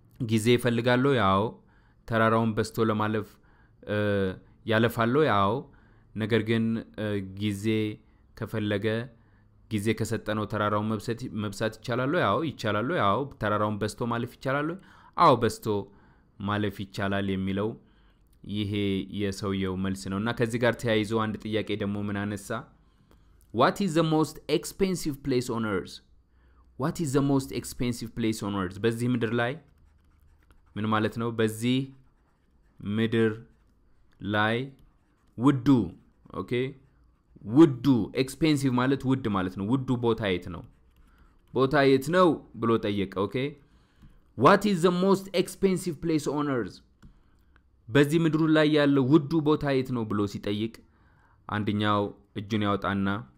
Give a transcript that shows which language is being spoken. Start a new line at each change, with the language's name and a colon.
Amharic: ጊዜ ይፈልጋለው ያው ተራራውን በስቶ ለማለፍ ያለፋለው ያው ነገር ግን ጊዜ ከፈለገ ጊዜ ከሰጠነው ተራራውን መብሳት ይቻላል ያው ይቻላል ያው ተራራውን በስቶ ማለፍ ይቻላል አው በስቶ ማለፍ ይቻላል የሚለው ይሄ የሰውየው መልስ ነውና ከዚህ ጋር ተያይዞ አንድ ጥያቄ ደግሞ ምን አነሳ
English: What is the most expensive place on earth? What is the most expensive place on earth?
Amharic: በዚህ ምድር ላይ ምን ማለት ነው? በዚህ ምድር ላይ ውዱ ኦኬ ውዱ ኤክስፔንሲቭ ማለት ውድ ማለት ነው ውዱ ቦታ የት ነው ቦታ የት ነው ብሎ ጠየቀ ኦኬ
English: what is the most expensive place on earth
Amharic: በዚህ ምድሩ ላይ ያለው ውዱ ቦታ የት ነው ብሎ ሲጠይቅ አንደኛው እጁን ያወጣና